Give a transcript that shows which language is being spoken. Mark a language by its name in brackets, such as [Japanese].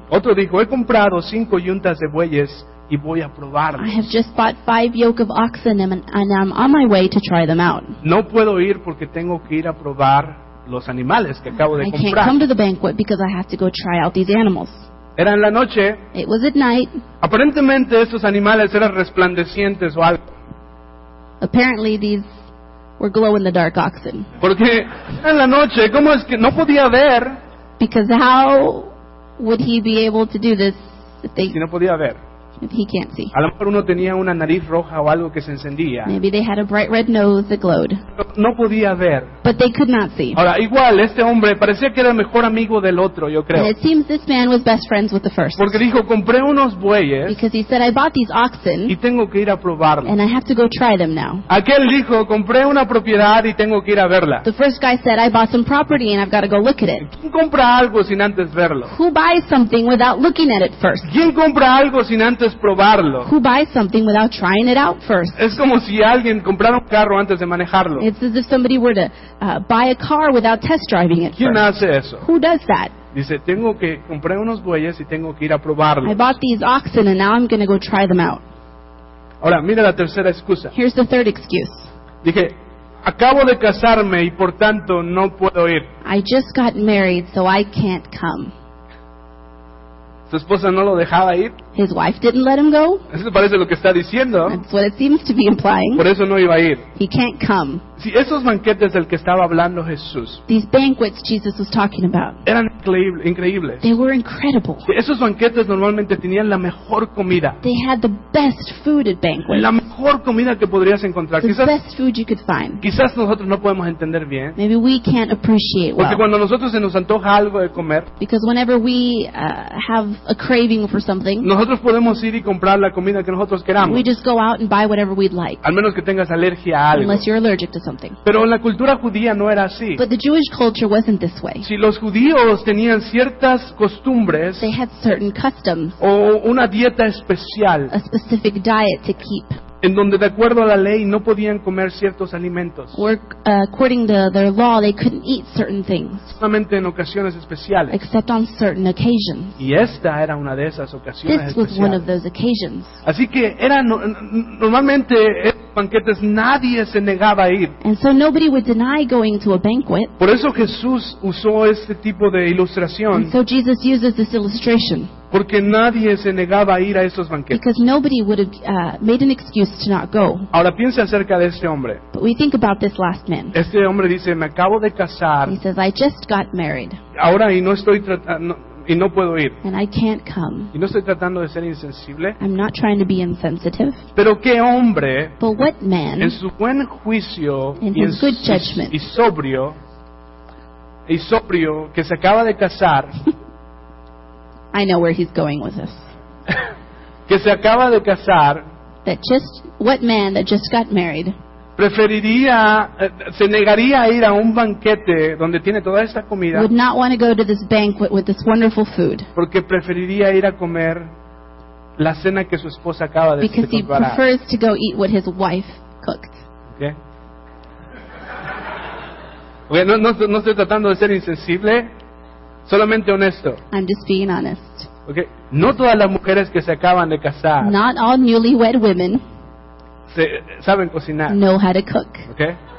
[Spanish] Otro dijo, he comprado 5 yuntas de bueyes y voy a probarlas. [English] I have just bought 5 yoke of oxen and I'm on my way to try them out. [Spanish] No puedo ir porque tengo que ir a probar los animales que acabo de comprar. [English] I can't come to the banquet because I have to go try out these animals. [Spanish] Era en la noche. [English] It was at night. [Spanish] Aparentemente estos animales eran resplandecientes o algo. [English] Apparently these were glow-in-the-dark oxen. [Spanish] Porque en la noche, ¿cómo es que no podía ver? [English] Because how would he be able to do this if they? [Spanish] Si no podía ver. [English] If he can't see. [Spanish] A lo mejor uno tenía una nariz roja o algo que se encendía. [English] Maybe they had a bright red nose that glowed. [Spanish] No podía ver. [English] But they could not see. [Spanish] Ahora igual este hombre parecía que era el mejor amigo del otro, yo creo. [English] And it seems this man was best friends with the first. [Spanish] Porque dijo, compré unos bueyes. [English] Because he said, I bought these oxen. [Spanish] Y tengo que ir a probarlos. [English] And I have to go try them now. [Spanish] Aquel dijo, compré una propiedad y tengo que ir a verla. [English] The first guy said, I bought some property and I've got to go look at it. [Spanish] ¿Quién compra algo sin antes verlo? [English] Who buys something without looking at it first? [Spanish] ¿Quién compra algo sin antes probarlo? [English] Who buys something without trying it out first? [Spanish] Es como si alguien comprara un carro antes de manejarlo. [English] It's as if somebody were to buy a car without test driving it. [Spanish] ¿Quién hace eso? [English] Who does that? [Spanish] Dice, tengo que comprar unos bueyes y tengo que ir a probarlos. [English] I bought these oxen and now I'm going to go try them out. [Spanish] Ahora, mira la tercera excusa. [English] Here's the third excuse. [Spanish] Dije, acabo de casarme y por tanto no puedo ir. [English] I just got married so I can't come. [Spanish] ¿Su esposa no lo dejaba ir? [English] His wife didn't let him go. [Spanish] Eso parece lo que está diciendo. [English] That's what it seems to be implying. [Spanish] Por eso no iba a ir. [English] He can't come. [Spanish] Sí, esos banquetes del que estaba hablando Jesús. [English] These banquets Jesus was talking about. [Spanish] Eran increíbles. [English] They were incredible. [Spanish] Sí, esos banquetes normalmente tenían la mejor comida. [English] They had the best food at banquets. [Spanish] La mejor comida que podrías encontrar. [English] The [Spanish] quizás, [English] best food you could find. [Spanish] Quizás nosotros no podemos entender bien. [English] Maybe we can't appreciate well. [Spanish] Porque cuando nosotros se nos antoja algo de comer. [English] Because whenever we have a craving for something. [Spanish] Nosotros podemos ir y comprar la comida que nosotros queramos. [English] We just go out and buy whatever we'd like. [Spanish] Al menos que tengas alergia a algo. [English] Unless you're allergic to something. [Spanish] Pero en la cultura judía no era así. [English] But the Jewish culture wasn't this way. [Spanish] Si los judíos tenían ciertas costumbres. [English] They had certain customs. [Spanish] O una dieta especial. [English] A specific diet to keep. [Spanish] En donde de acuerdo a la ley no podían comer ciertos alimentos. [English] Or, according to their law, they couldn't eat certain things. [Spanish] Solamente en ocasiones especiales. [English] Except on certain occasions. [Spanish] Y esta era una de esas ocasiones [English] this [Spanish] especiales. [English] This was one of those occasions. [Spanish] Así que eran normalmente banquetes nadie se negaba a ir. [English] And so nobody would deny going to a banquet. [Spanish] Por eso Jesús usó este tipo de ilustración. [English] And so Jesus uses this illustration. [Spanish] Porque nadie se negaba a ir a esos banquetes. [English] Because nobody would have made an excuse to not go. [Spanish] Ahora piense acerca de este hombre. [English] But we think about this last man. [Spanish] Este hombre dice, me acabo de casar. [English] He says, I just got married. [Spanish] Ahora y no estoy tratando. Y no puedo ir. [English] And I can't come. [Spanish] Y no estoy tratando de ser insensible. [English] I'm not trying to be insensitive. [Spanish] Pero qué hombre, [English] but what man, [Spanish] en su buen juicio y en [English] good judgment, [Spanish] y sobrio, que se acaba de casar. [English] I know where he's going with this. [Spanish] Que se acaba de casar. [English] That just, what man that just got married. [Spanish] Preferiría, se negaría a ir a un banquete donde tiene toda esta comida. [English] Would not want to go to this banquet with this wonderful food. [Spanish] Porque preferiría ir a comer la cena que su esposa acaba de preparar. [English] Because he prefers to go eat what his wife cooked. Okay. [Spanish] No estoy tratando de ser insensible, solamente honesto. [English] I'm just being honest. Okay. [Spanish] No todas las mujeres que se acaban de casar. [English] Not all newlywed women. [Spanish] Saben cocinar. [English] Know how to cook. Okay.